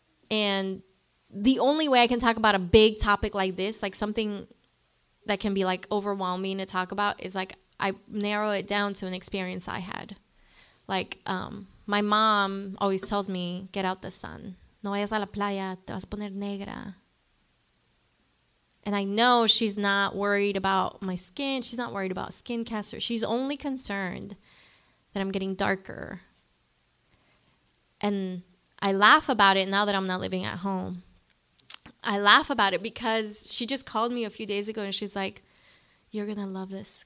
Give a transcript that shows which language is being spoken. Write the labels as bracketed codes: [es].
[en] And the only way I can talk about a big topic like this, like something that can be like overwhelming to talk about, is like I narrow it down to an experience I had. Like my mom always tells me, get out the sun. [es] No vayas a la playa, te vas a poner negra. [en] And I know she's not worried about my skin. She's not worried about skin cancer. She's only concerned that I'm getting darker. And I laugh about it now that I'm not living at home. I laugh about it because she just called me a few days ago and she's like, you're going to love this.